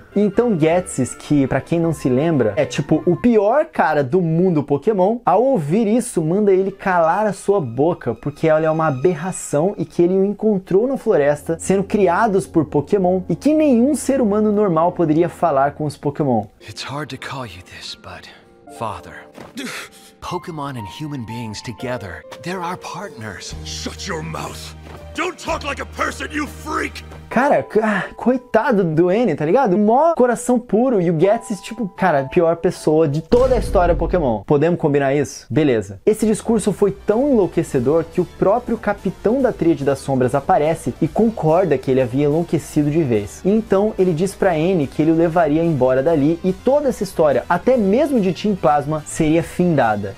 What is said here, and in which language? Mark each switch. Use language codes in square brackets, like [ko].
[pt] Então Getsy, que pra quem não se lembra, é tipo o pior cara do mundo Pokémon, ao ouvir isso, manda ele calar a sua boca, porque ela é uma aberração e que ele o encontrou na floresta, sendo criados por Pokémon, e que nenhum ser humano normal poderia falar com os Pokémon. [en] It's hard to call you this, but father. Pokémon and human beings together, they're our partners. Shut your mouth. Don't talk like a person, you freak! [pt] Cara, coitado do Annie, tá ligado? Mó coração puro e o Getsy, tipo, cara, pior pessoa de toda a história Pokémon. Podemos combinar isso? Beleza. Esse discurso foi tão enlouquecedor que o próprio capitão da Tríade das Sombras aparece e concorda que ele havia enlouquecido de vez. Então, ele diz pra Annie que ele o levaria embora dali e toda essa história, até mesmo de Team Plasma, seria findada.